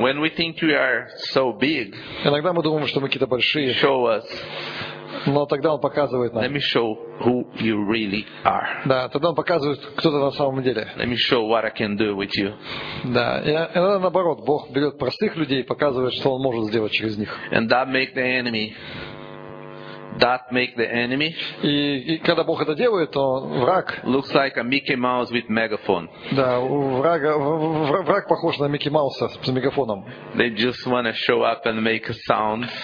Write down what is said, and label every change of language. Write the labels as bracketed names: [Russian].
[English] When we think we are so big, [Russian] иногда мы думаем, что мы какие-то большие. [English] Show us. [Russian] Но тогда он показывает нам. [English] Let me show who you really are. [Russian] Да, тогда он показывает, кто ты на самом деле. [English] Let me show what I can do with you. [Russian] Да, и иногда наоборот, Бог берет простых людей и показывает, что он может сделать через них. [English] And that make the enemy. That make the enemy. [Russian] И когда Бог это делает, то враг. [English] Looks like a Mickey Mouse with megaphone. [Russian] Да, враг похож на Микки Мауса с мегафоном. [English] They just wanna show up and make a sound.